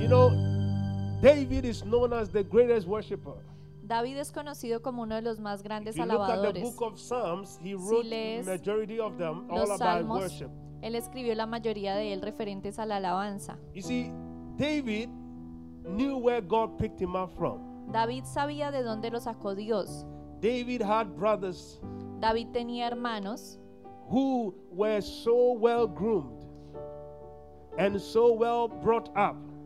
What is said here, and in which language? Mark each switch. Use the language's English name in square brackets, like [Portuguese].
[English] You know, David is known as the greatest worshipper. [Spanish] David es conocido como uno de los más grandes alabadores. [English] If you look at the book of Psalms, he wrote the majority of them all about worship. [Spanish] Él escribió la mayoría de él referentes a la alabanza. [English] You see, David knew where God picked him up from. [Spanish] David sabía de dónde lo sacó Dios. [English] David had brothers. [Spanish] David tenía hermanos [English] who were so well groomed and so well brought up.